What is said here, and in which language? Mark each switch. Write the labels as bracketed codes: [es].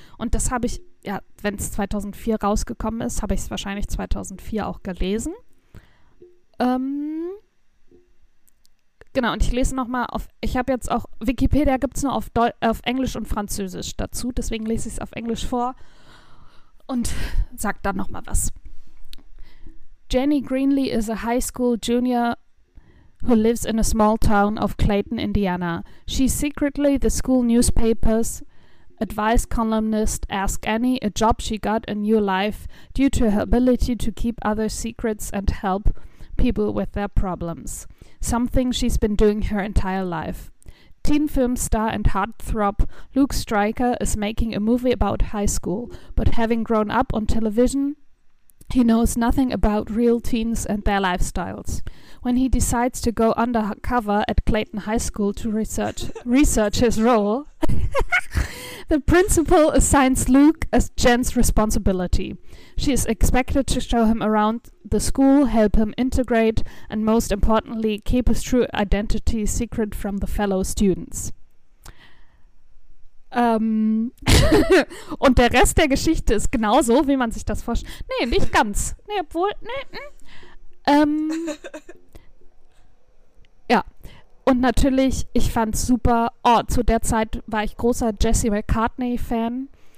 [de] Und das habe ich, ja, wenn es 2004 rausgekommen ist, habe ich es wahrscheinlich 2004 auch gelesen. Genau, und ich lese nochmal auf, ich habe jetzt auch, Wikipedia gibt es nur auf Englisch und Französisch dazu, deswegen lese ich es auf Englisch vor und sage dann nochmal was. [en] Jenny Greenlee is a high school junior who lives in a small town of Clayton, Indiana. She's secretly the school newspaper's advice columnist. Ask Annie, a job she got a new life due to her ability to keep other secrets and help people with their problems. Something she's been doing her entire life. Teen film star and heartthrob Luke Stryker is making a movie about high school, but having grown up on television, he knows nothing about real teens and their lifestyles. When he decides to go undercover at Clayton High School to research his role, the principal assigns Luke as Jen's responsibility. She is expected to show him around the school, help him integrate, and most importantly, keep his true identity secret from the fellow students. [de] und der Rest der Geschichte ist genauso, wie man sich das vorstellt. Nee, nicht ganz. Nee, obwohl, nee. Und natürlich, ich fand's super, oh, zu der Zeit war ich großer Jesse McCartney-Fan.